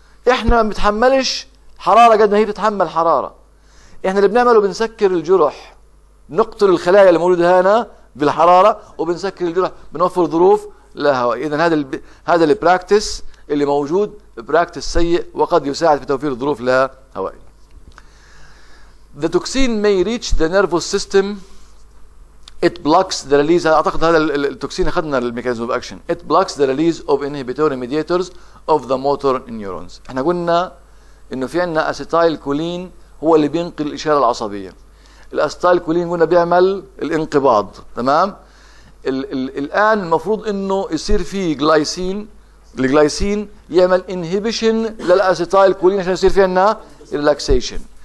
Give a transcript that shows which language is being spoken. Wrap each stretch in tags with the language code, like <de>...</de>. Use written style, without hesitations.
<ar>احنا ما بنتحملش حرارة قد ما هي بتتحمل حرارة. احنا اللي بنعمله بنسكر الجرح، نقتل الخلايا اللي موجودة هنا بالحرارة وبنسكر الجرح، بنوفر ظروف لا هوائية. اذا هذا البراكتس اللي موجود براكتس سيء، وقد يساعد في توفير ظروف لا هوائية.</ar> <en>The toxin may reach the nervous system It blocks the release.</en> <ar>أعتقد هذا التوكسين أخذنا الميكانيزم</ar> <en>of action. It blocks the release of inhibitory mediators of the motor neurons.</en> <ar>إحنا قلنا إنه في عنا أسيتايل كولين هو اللي بينقل الإشارة العصبية. الأسيتايل كولين قلنا بيعمل الانقباض. تمام؟ الآن المفروض إنه يصير فيه جلايسين. الجلايسين يعمل inhibition للأسيتايل كولين عشان يصير في عنا relaxation.</ar>